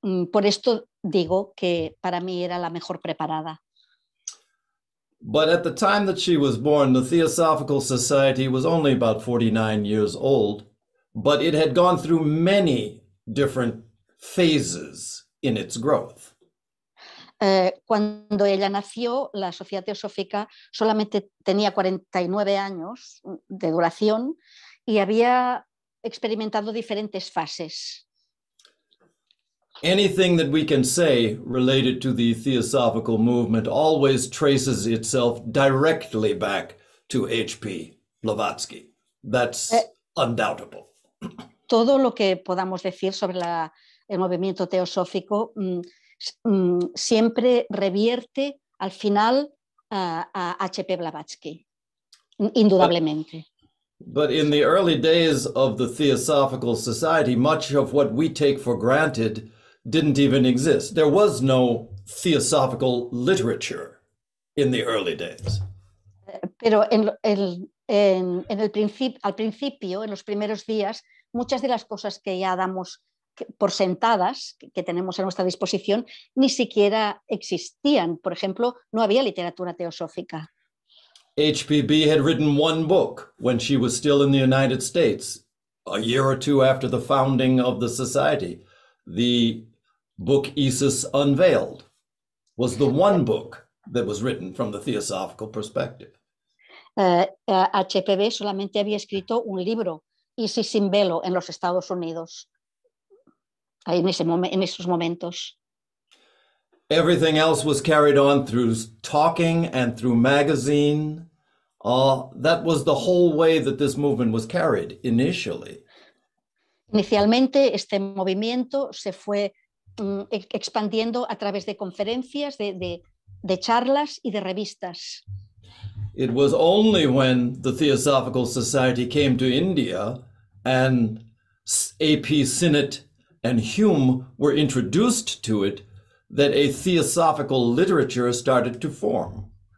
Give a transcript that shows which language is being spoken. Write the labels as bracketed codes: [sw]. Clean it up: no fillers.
[es] Por esto digo que para mí era la mejor preparada. [en] But at the time that she was born, the Theosophical Society was only about 49 years old, but it had gone through many different phases in its growth. [es] Cuando ella nació, la Sociedad Teosófica solamente tenía 49 años de duración y había experimentado diferentes fases. [en] Anything that we can say related to the Theosophical movement always traces itself directly back to H.P. Blavatsky. That's undoubtable. [es] Todo lo que podamos decir sobre el movimiento teosófico siempre revierte al final a H.P. Blavatsky, indudablemente. [en] But in the early days of the Theosophical Society, much of what we take for granted didn't even exist. There was no Theosophical literature in the early days. [es] Pero al principio, en los primeros días, muchas de las cosas que ya damos por sentadas, que tenemos a nuestra disposición, ni siquiera existían. Por ejemplo, no había literatura teosófica. [en] HPB had written one book when she was still in the United States, a year or two after the founding of the society. The book Isis Unveiled was the one book that was written from the theosophical perspective. [es] HPB solamente había escrito un libro, Isis sin velo, en los Estados Unidos, en esos momentos. [en] Everything else was carried on through talking and through magazine. That was the whole way that this movement was carried initially. [es] Inicialmente, este movimiento se fue expandiendo a través de conferencias, de charlas y de revistas. [en] It was only when the Theosophical Society came to India and A.P. Sinnett and Hume were introduced to it that a theosophical literature started to form.